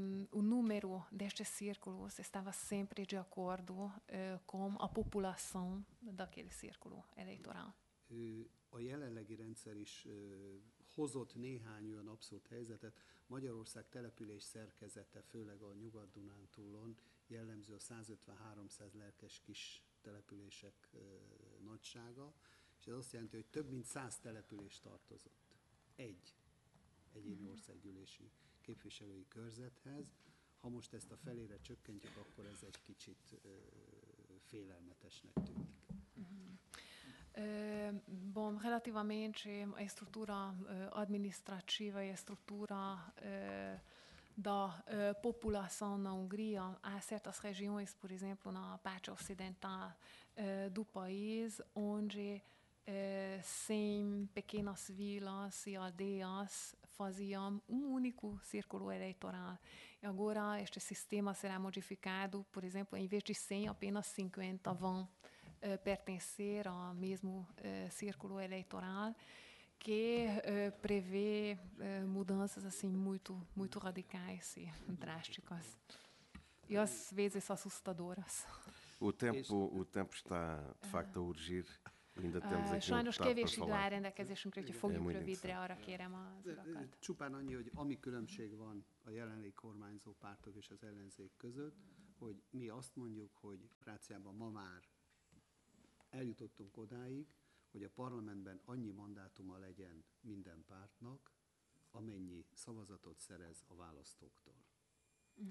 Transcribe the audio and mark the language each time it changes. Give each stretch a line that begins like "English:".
Portuguese: O número destes círculos estava sempre de acordo com a população daquele círculo eleitoral.
Hungarian: A jelenlegi rendszer is hozott néhány olyan abszurd helyzetet. Magyarország település szerkezete, főleg a Nyugat-Dunántúlon, jellemző a 150-300 lelkes kis települések nagysága, és ez azt jelenti, hogy több mint 100 település tartozott egy egyéni országgyűlési képviselői körzethez. Ha most ezt a felére csökkentjük, akkor ez egy kicsit félelmetesnek tűnik.
Portuguese: Bom, relativamente à estrutura administrativa e à estrutura da população na Hungria, há certas regiões, por exemplo, na parte ocidental do país, onde 100 pequenas vilas e aldeias faziam único círculo eleitoral. E agora este sistema será modificado, por exemplo, em vez de 100, apenas 50 vão pertencer ao mesmo círculo eleitoral, que prevê mudanças assim muito radicais e drásticas e às vezes assustadoras. O tempo está de facto a urgir. Ainda temos aqui
Hungarian: sajnos kevés idő áll rendelkezésünkre, hogy fogjuk rövidre, arra kérem az urakat. Csupán annyi, hogy ami különbség van a jelenlegi kormányzó pártok és az ellenzék között, hogy mi azt mondjuk, hogy Franciában ma már eljutottunk odáig, hogy a parlamentben annyi mandátuma legyen minden pártnak, amennyi szavazatot szerez a választóktól. Mm-hmm.